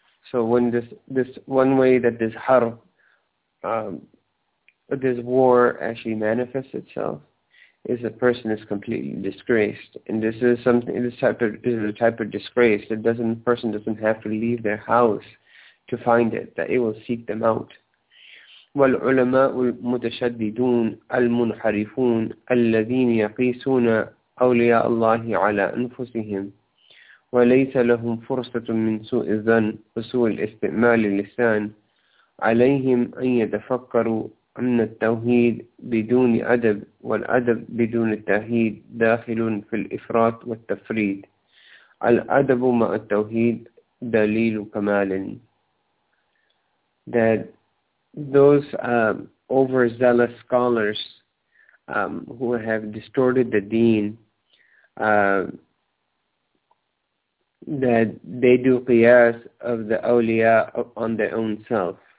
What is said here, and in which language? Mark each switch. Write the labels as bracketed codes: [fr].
[en] So when this one way that this harb, this war actually manifests itself, is a person is completely disgraced. And this is something, this is a type of disgrace that a person doesn't have to leave their house to find it, that it will seek them out. [ar] والعلماء المتشددون المنحرفون الذين يقيسون أولياء الله على أنفسهم وليس لهم فرصة من سوء الظن وسوء الاستعمال اللسان عليهم أن يتفكروا أن التوحيد بدون أدب والأدب بدون التوحيد داخل في الإفراط والتفريد. الأدب مع التوحيد دليل كمال. [en] That those overzealous scholars who have distorted the deen, that they do qiyas of the awliya on their own self.